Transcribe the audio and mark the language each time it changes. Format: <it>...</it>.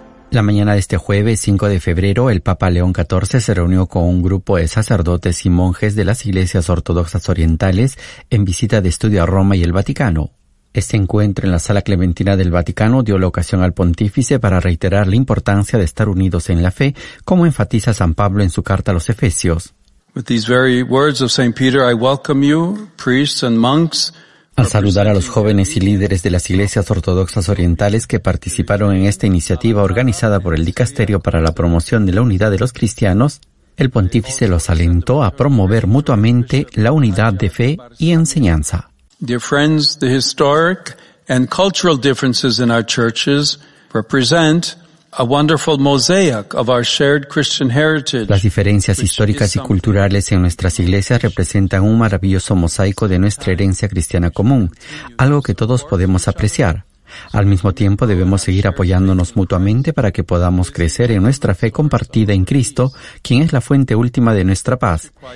<es>La mañana de este jueves 5 de febrero, el Papa León XIV se reunió con un grupo de sacerdotes y monjes de las iglesias ortodoxas orientales en visita de estudio a Roma y el Vaticano. Este encuentro en la Sala Clementina del Vaticano dio la ocasión al pontífice para reiterar la importancia de estar unidos en la fe, como enfatiza San Pablo en su carta a los Efesios.</es> <en>With these very words of Saint Peter, I welcome you, priests and monks.</en> <es>Al saludar a los jóvenes y líderes de las iglesias ortodoxas orientales que participaron en esta iniciativa organizada por el Dicasterio para la Promoción de la Unidad de los Cristianos, el pontífice los alentó a promover mutuamente la unidad de fe y enseñanza.</es> <en>Dear friends, the historic and cultural differences in our churches represent a wonderful mosaic of our shared Christian heritage.</en> <es>Las diferencias históricas y culturales en nuestras iglesias representan un maravilloso mosaico de nuestra herencia cristiana común, algo que todos podemos apreciar. Al mismo tiempo, debemos seguir apoyándonos mutuamente para que podamos crecer en nuestra fe compartida en Cristo, quien es la fuente última de nuestra paz.</es>